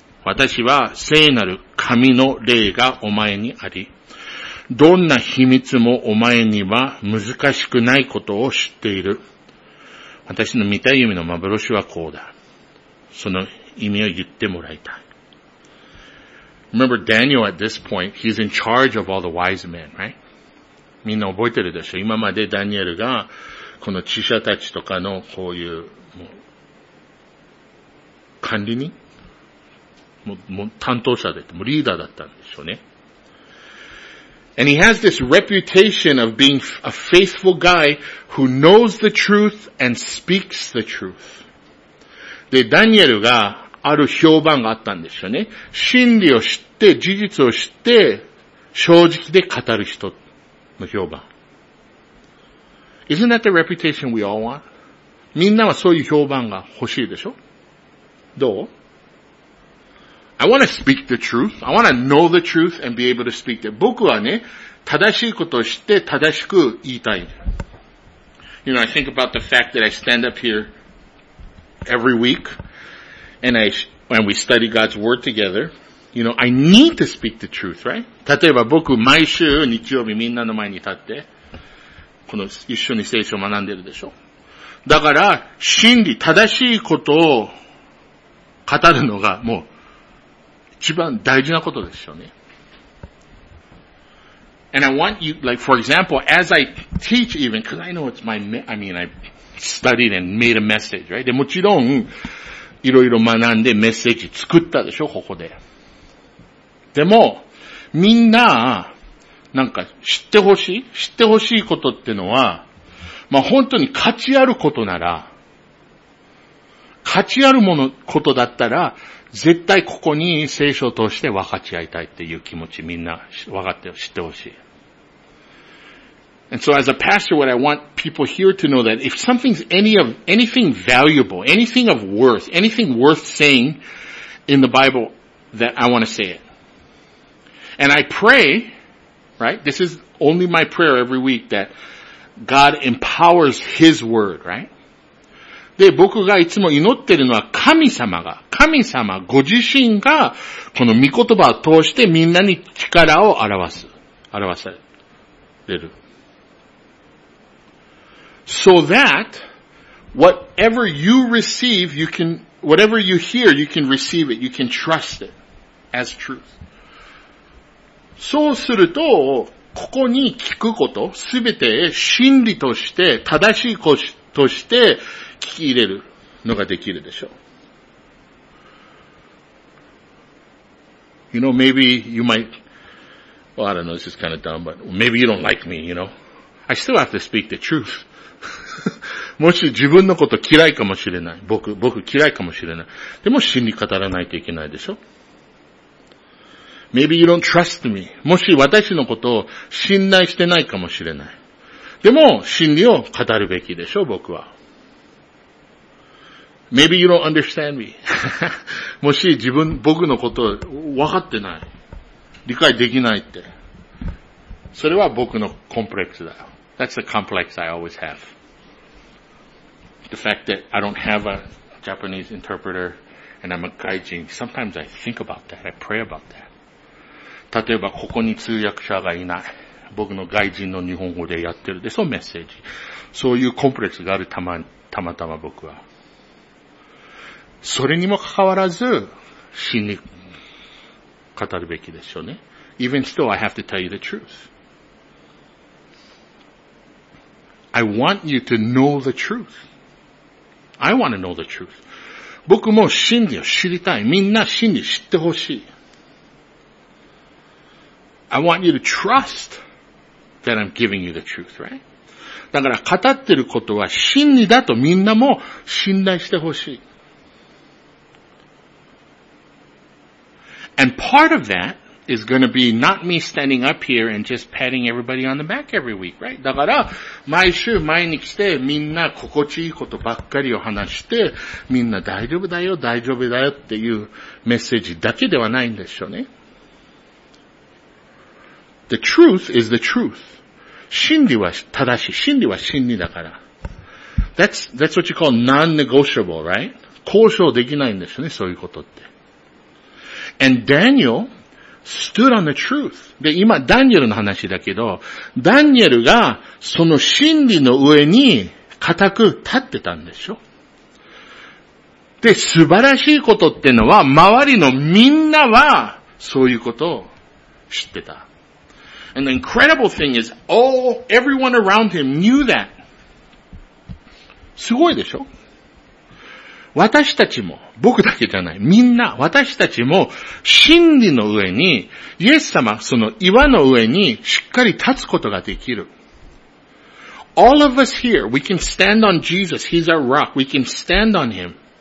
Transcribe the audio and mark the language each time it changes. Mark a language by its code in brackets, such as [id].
[ja] 私は聖なる神の霊がお前にあり。どんな秘密もお前には難しくないことを知っている。私の見た夢の幻はこうだ。その意味を言ってもらいたい。 [en] Remember Daniel at this point, he's in charge of all the wise men, right? [ja] みんな覚えてるでしょ?今までダニエルがこの知者たちとかのこういう、もう管理人? もう担当者で、もうリーダーだったんでしょうね。 [en] And he has this reputation of being a faithful guy who knows the truth and speaks the truth. [ja] で、ダニエルがある評判があったんですよね。真理を知って、事実を知って、正直で語る人の評判。 [en] Isn't that the reputation we all want? [ja] みんなはそういう評判が欲しいでしょ? どう? [en] I want to speak the truth. I want to know the truth and be able to speak it. [ja] 僕はね、正しいことを知って正しく言いたい。 [en] You know, I think about the fact that I stand up here every week. And we study God's word together. You know, I need to speak the truth, right? [ja] 例えば僕毎週日曜日みんなの前に立って、この一緒に聖書を学んでるでしょ。だから、真理、正しいことを語るのがもう一番大事なことですよね。 [en] And I want you, like, for example, as I teach even, because I know it's my, I mean, I studied and made a message, right? [ja] でもちろん、いろいろ学んでメッセージ作ったでしょここで。でも、みんな、なんか知ってほしい知ってほしいことってのは、まあ、本当に価値あることなら、価値あるもの、ことだったら、絶対ここに聖書を通して分かち合いたいっていう気持ちみんな分かって、知ってほしい。 [en] And so as a pastor, what I want people here to know that if something's anything valuable, anything worth saying in the Bible, that I want to say it. And I pray, right? This is only my prayer every week that God empowers His word, right? [ja] で、僕がいつも祈ってるのは神様ご自身がこの御言葉を通してみんなに力を表される。 [en] So that whatever you receive, whatever you hear, you can receive it, you can trust it as truth. [ja] そうすると、ここに聞くこと、すべて真理として、正しいことして聞き入れるのができるでしょう。 [en] You know, maybe you might, well, I don't know, this is kind of dumb, but maybe you don't like me, you know. I still have to speak the truth. [ja] もし自分のこと嫌いかもしれない。僕嫌いかもしれない。でも真理語らないといけないでしょ。 [en] Maybe you don't trust me. [ja] もし私のことを信頼してないかもしれない。でも真理を語るべきでしょ、僕は。 [en] Maybe you don't understand me. [ja] もし自分、僕のこと分かってない。理解できないって。それは僕のコンプレックスだよ。 [en] That's the complex I always have. The fact that I don't have a Japanese interpreter and I'm a gaijin. Sometimes I think about that. I pray about that. [ja] 例えばここに通訳者がいない。僕の外人の日本語でやってる。で、そのメッセージ。そういうコンプレックスがあるたまたま僕は。それにもかかわらず、真に語るべきでしょうね。 [en] Even still, I have to tell you the truth. I want you to know the truth. I want to know the truth. [ja] 僕も真理を知りたい。みんな真理知ってほしい。 [en] I want you to trust that I'm giving you the truth, right? [ja] だから語ってることは真理だとみんなも信頼してほしい。 [en] And part of that is going to be not me standing up here and just patting everybody on the back every week, right? [ja] だから毎週毎日してみんな心地いいことばっかりを話してみんな大丈夫だよ大丈夫だよっていうメッセージだけではないんでしょうね。 [en] The truth is the truth. [ja] 真理は正しい。真理は真理だから。 [en] That's what you call non-negotiable, right? [ja] 交渉できないんですよね、そういうことって。 [en] And Daniel stood on the truth. [ja] で、今、ダニエルの話だけど、ダニエルがその真理の上に固く立ってたんでしょ。で、素晴らしいことってのは、周りのみんなはそういうことを知ってた。 [en] And the incredible thing is, all, everyone around him knew that. [ja] すごいでしょ? 私たちも、僕だけじゃない、みんな、私たちも、真理の上に、イエス様、その岩の上に、しっかり立つことができる。 [en] All of us here, we can stand on Jesus, he's our rock, we can stand on him.